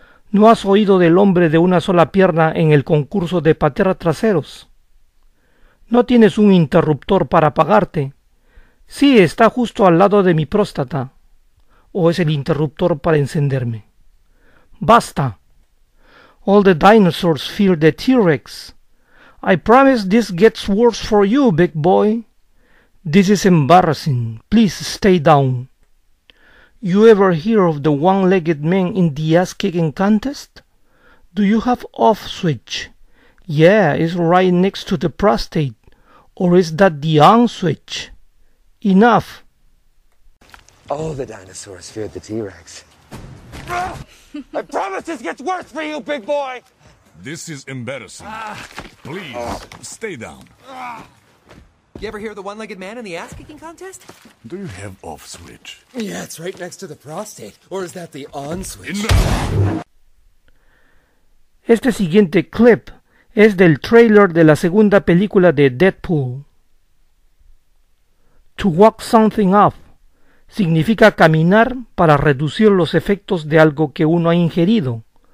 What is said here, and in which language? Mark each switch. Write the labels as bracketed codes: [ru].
[es] ¿No has oído del hombre de una sola pierna en el concurso de patear traseros? ¿No tienes un interruptor para apagarte? Sí, está justo al lado de mi próstata. ¿O es el interruptor para encenderme? [en] ¡Basta! All the dinosaurs fear the T-Rex. I promise this gets worse for you, big boy. This is embarrassing. Please stay down. You ever hear of the one-legged man in the ass-kicking contest? Do you have off switch? Yeah, it's right next to the prostate. Or is that the on switch? Enough! All the dinosaurs feared the T-Rex. I promise this gets worse for you, big boy! This is embarrassing. Please, stay down. You ever hear of the one-legged man in the ass-kicking contest? Do you have off switch? Yeah, it's right next to the prostate. Or is that the on switch? Enough. [es] Este siguiente clip es del trailer de la segunda película de Deadpool. [en] To walk something off [es] significa caminar para reducir los efectos de algo que uno ha ingerido.